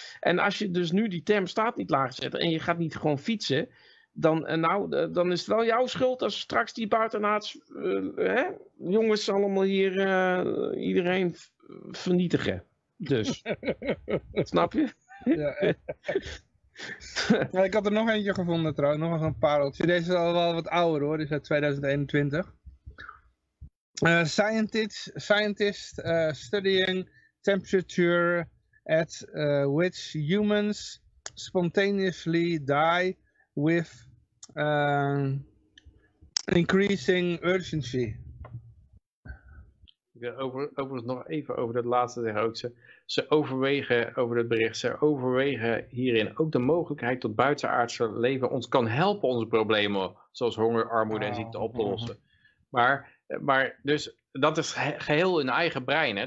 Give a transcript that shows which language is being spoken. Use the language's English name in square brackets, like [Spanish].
[Dutch] En als je dus nu die thermostaat niet laag zet en je gaat niet gewoon fietsen, dan is het wel jouw schuld als straks die buitenaards, jongens allemaal hier iedereen vernietigen. Dus, snap je? Ja. Ik had er nog eentje gevonden trouwens, nog een pareltje. Deze is al wel wat ouder hoor, die is uit 2021. [English] Scientists studying temperature at which humans spontaneously die with increasing urgency. [Dutch] Overigens nog even over dat laatste zeggen ook ze. Ze overwegen over het bericht, ze overwegen hierin ook de mogelijkheid dat buitenaardse leven ons kan helpen onze problemen, zoals honger, armoede en ziekte oplossen. Maar dus dat is geheel hun eigen brein. Hè?